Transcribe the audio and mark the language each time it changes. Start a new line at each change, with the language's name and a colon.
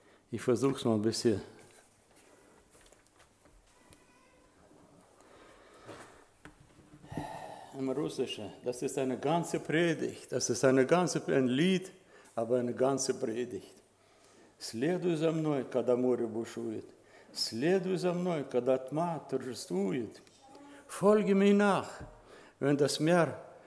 German: Ich versuche es mal ein bisschen. Im Russischen, das ist eine ganze Predigt, das ist eine ganze, ein Lied, aber eine ganze Predigt.
Russian: Следуй за мной, когда море бушует. Следуй за мной, когда тьма торжествует.
German: Folge mir nach, wenn das Meer...